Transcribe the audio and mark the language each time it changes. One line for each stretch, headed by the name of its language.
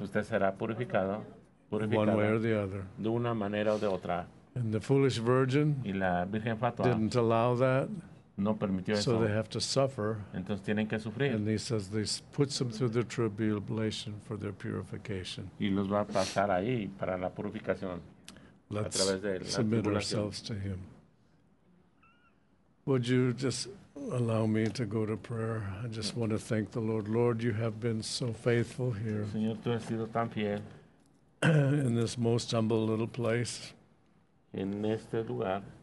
Spanish: usted será purificado, purificada,
English: one way or the other.
Spanish: De una manera o de otra.
English: And the foolish virgin,
Spanish: y la virgen fatua,
English: didn't allow that.
Spanish: No permitió eso.
English: So they have to suffer.
Spanish: Entonces tienen que sufrir.
English: And he says this puts them through the tribulation for their purification.
Spanish: Y los va a pasar ahí para la purificación.
English: Let's
Spanish: a través de la
English: submit
Spanish: tribulación.
English: Ourselves to him. Would you just allow me to go to prayer? I just want to thank the Lord. Lord, you have been so faithful here.
Spanish: Señor, tú has sido tan fiel.
English: In this most humble little place.
Spanish: En este lugar.